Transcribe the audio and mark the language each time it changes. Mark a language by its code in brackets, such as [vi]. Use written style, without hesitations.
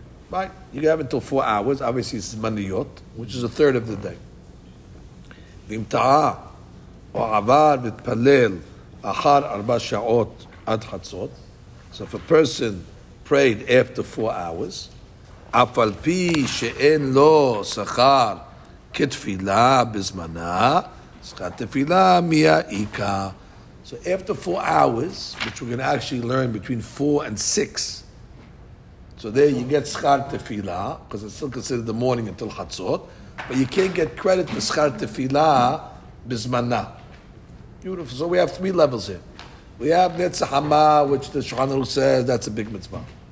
[en] Right? You have until 4 hours. Obviously, it's Zmaniyot, which is a third of the day. [he] ואם טעה או עבר ותפלל אחר 4 שעות עד חצות, [en] so if a person prayed after 4 hours, [he] אף על פי שאין לו שכר כתפילה בזמנה, שכר תפילה מייעיקה. [en] So after 4 hours, which we're going to actually learn between 4 and 6, so there you get [he] שכר תפילה, [en] because it's still considered the morning until [he] חצות, [en] but you can't get credit for schar tefillah bizmana. Beautiful. So we have 3 levels here. We have netzahama, which the Shulchan Aruch says that's a big mitzvah.